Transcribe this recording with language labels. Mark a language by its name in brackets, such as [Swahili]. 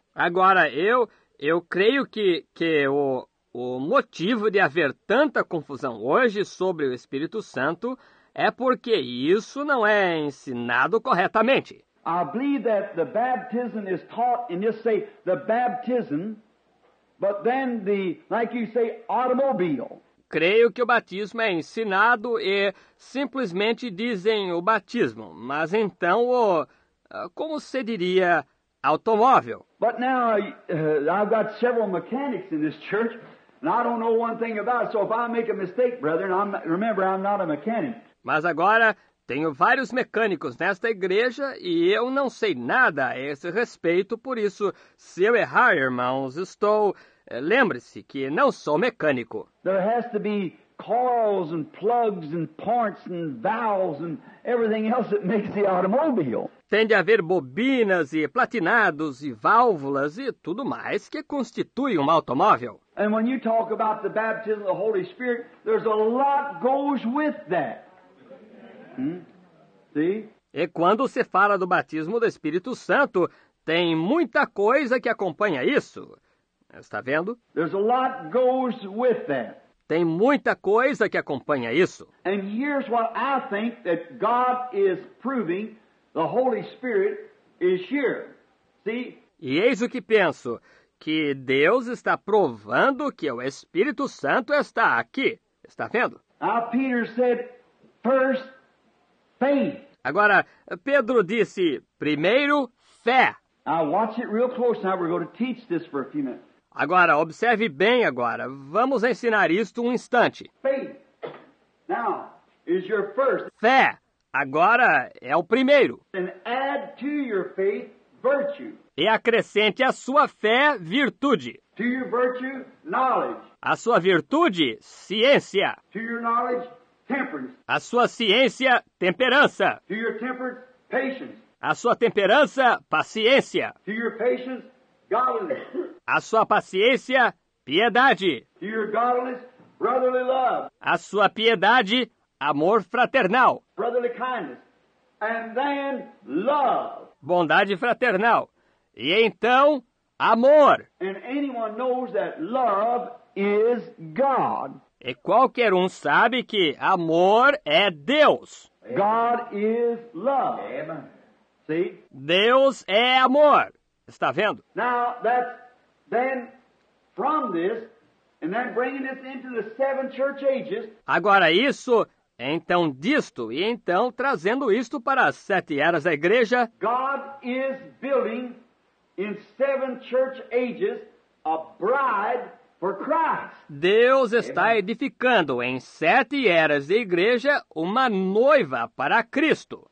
[Portuguese] Agora, eu creio que o motivo de haver tanta confusão hoje sobre o Espírito Santo é porque isso não é ensinado corretamente. [English] I believe that the baptism is taught, and you say the baptism, but then the, like you say, automobile. [Portuguese] Creio que o batismo é ensinado e simplesmente dizem o batismo, mas então o, como se diria, automóvel. [English] But now I've got several mechanics in this church, and I don't know one thing about it. So if I make a mistake, brethren, remember I'm not a mechanic. [Portuguese] Mas agora tenho vários mecânicos nesta igreja e eu não sei nada a esse respeito, por isso, se eu errar, irmãos, estou... Lembre-se que não sou mecânico. [English] There has to be coils and plugs and points and valves and everything else that makes the automobile. [Portuguese] Tem de haver bobinas e platinados e válvulas e tudo mais que constitui um automóvel. [English] And when you talk about the baptism of the Holy Spirit, there's a lot goes with that. [Portuguese] E quando se fala do batismo do Espírito Santo, tem muita coisa que acompanha isso. Está vendo? [English] There's a lot goes with that. [Portuguese] Tem muita coisa que acompanha isso. [English] And here's what I think that God is proving the Holy Spirit is here. See? [Portuguese] E eis o que penso, que Deus está provando que o Espírito Santo está aqui. Está vendo? [English] Now Peter said, first, faith. [Portuguese] Agora, Pedro disse, primeiro, fé. [English] Now watch it real close now. We're going to teach this for a few minutes. [Portuguese] Agora, observe bem agora. Vamos ensinar isto um instante. [English] Faith. Now, is your first. [Portuguese] Fé. Agora é o primeiro. [English] And add to your faith, virtue. [Portuguese] E acrescente à sua fé, virtude. [English] To your virtue, knowledge. [Portuguese] A sua virtude, ciência. [English] To your knowledge, temperance. [Portuguese] A sua ciência, temperança. [English] To your temperance, patience. [Portuguese] A sua temperança, paciência. [English] To your patience, godliness. [Portuguese] A sua paciência, piedade. [English] To your godliness, brotherly love. [Portuguese] A sua piedade, amor fraternal. [English] Brotherly kindness. And then love. [Portuguese] Bondade fraternal. E então, amor. [English] And anyone knows that love is God. [Portuguese] E qualquer um sabe que amor é Deus. [English] God is love. Amen. See? [Portuguese] Deus é amor. Está vendo? [English] Now, that's then from this, and then bringing this into the seven church ages. [Portuguese] Agora isso, então disto, e então trazendo isto para as sete eras da igreja. [English] God is building in seven church ages a bride for Christ. [Portuguese] Deus está edificando em sete eras da igreja uma noiva para Cristo.